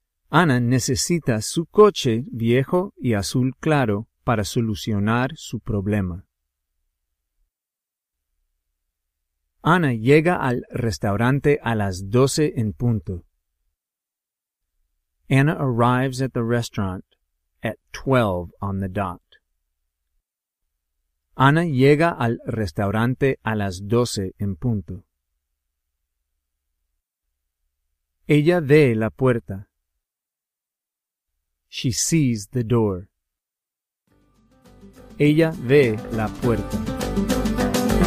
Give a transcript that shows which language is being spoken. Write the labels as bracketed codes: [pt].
[es] Anna necesita su coche viejo y azul claro para solucionar su problema. Anna llega al restaurante a las 12 en punto. [en] Anna arrives at the restaurant at 12 on the dot. [es] Anna llega al restaurante a las 12 en punto. Ella ve la puerta. [en] She sees the door. [es] Ella ve la puerta.